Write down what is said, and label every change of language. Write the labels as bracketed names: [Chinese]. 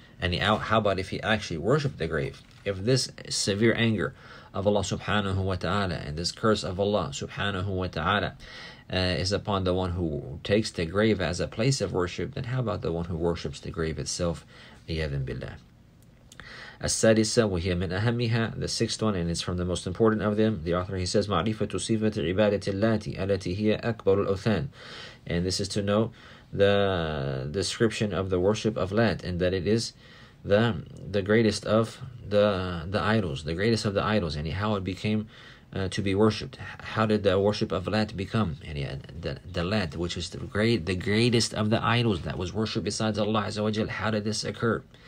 [English] And how about if he actually worshiped the grave? If this severe anger of Allah subhanahu wa ta'ala and this curse of Allah subhanahu wa ta'ala is upon the one who takes the grave as a place of worship, then how about the one who worships the grave itself? [Arabic] Iyadhan billah. السادسة وهي من أهمها. [English] The sixth one, and it's from the most important of them. The author, he says, [Arabic] معرفة صفة عبادة اللاتي التي هي أكبر الأوثان. [English] And this is to know the description of the worship of Lat, and that it is the greatest of the idols, the greatest of the idols, and how it became to be worshipped. How did the worship of Lat become? And the Lat, which is the greatest of the idols that was worshipped besides Allah Azza wa Jal, how did this occur?